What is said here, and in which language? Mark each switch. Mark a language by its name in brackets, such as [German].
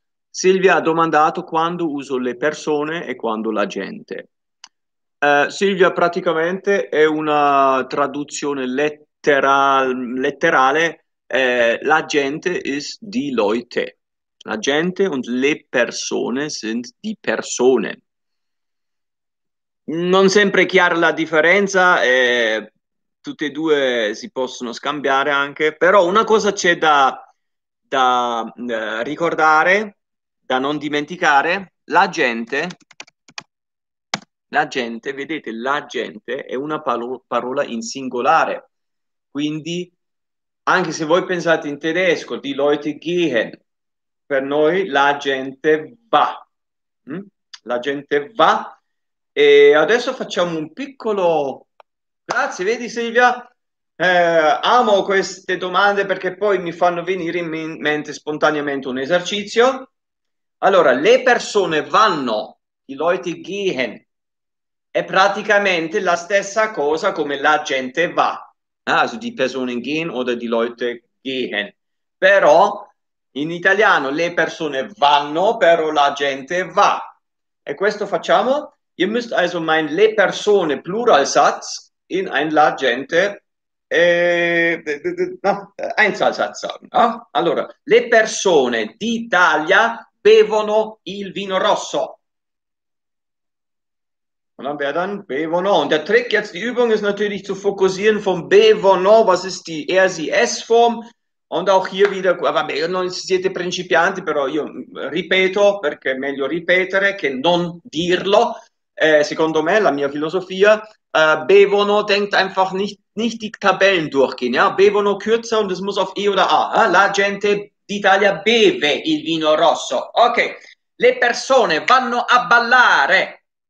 [Italian] Silvia ha domandato quando uso le persone e quando la gente. Silvia praticamente è una traduzione letterale. [German] La gente ist die Leute. La gente und le persone sind die persone. [Italian] Non sempre è chiara la differenza. Tutte e due si possono scambiare anche, però una cosa c'è da ricordare, da non dimenticare, la gente, vedete, la gente è una parola in singolare. Quindi, anche se voi pensate in tedesco, [German] die Leute gehen, [Italian] per noi la gente va. La gente va. E adesso facciamo un piccolo. Grazie, vedi Silvia? Amo queste domande perché poi mi fanno venire in mente spontaneamente un esercizio. Allora, le persone vanno, [German] die Leute gehen, [Italian] è praticamente la stessa cosa come la gente va. [German] Also, die Personen gehen oder die Leute gehen. [Italian] Però in italiano le persone vanno, però la gente va. E questo facciamo? [German] Ihr müsst also mein le persone Pluralsatz in ein la gente no, Einzelsatz sagen. [Italian] No? Allora, le persone d'Italia bevono il vino rosso. [German] Und dann bevono. Und der Trick jetzt, die Übung ist natürlich zu fokussieren vom bevono, was ist die Er-Sie-Es-Form. [Italian] Und auch hier wieder, vabbè, non siete principianti, però io ripeto perché è meglio ripetere che non dirlo. Secondo me, la mia filosofia, bevono, [German] denkt einfach nicht die Tabellen durchgehen, ja? Bevono kürzer und es muss auf E oder A. Eh? [Italian] La gente d'Italia beve il vino rosso. Ok, le persone vanno a ballare.